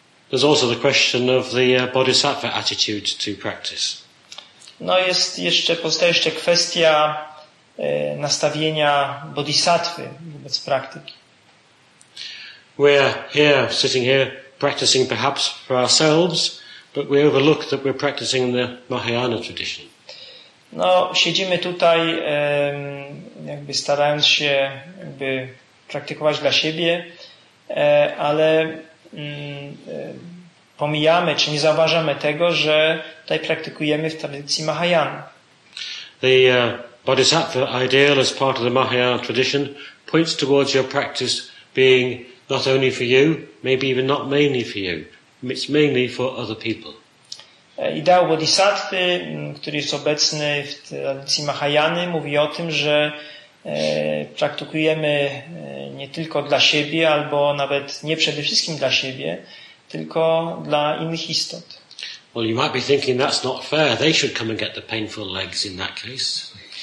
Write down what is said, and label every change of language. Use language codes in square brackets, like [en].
[en] There's also the question of the bodhisattva attitude to practice. [pl] No jest jeszcze, pozostaje jeszcze kwestia nastawienia bodhisattwy wobec praktyki. [en] We are here, sitting here, practicing perhaps for ourselves, but we overlook that we're practicing the Mahayana tradition. [pl] No, siedzimy tutaj, jakby starając się jakby praktykować dla siebie, ale pomijamy, czy nie zauważamy tego, że tutaj praktykujemy w tradycji Mahayana. [en] The Bodhisattva ideal as part of the Mahayana tradition points towards your practice being not only for you, maybe even not mainly for you. It's mainly for other people. [pl] Ideał Bodhisattwy, który jest obecny w tradycji Mahayany, mówi o tym, że praktykujemy nie tylko dla siebie, albo nawet nie przede wszystkim dla siebie, tylko dla innych istot. [en] Well, you might be thinking that's not fair. They should come and get the painful legs in that case.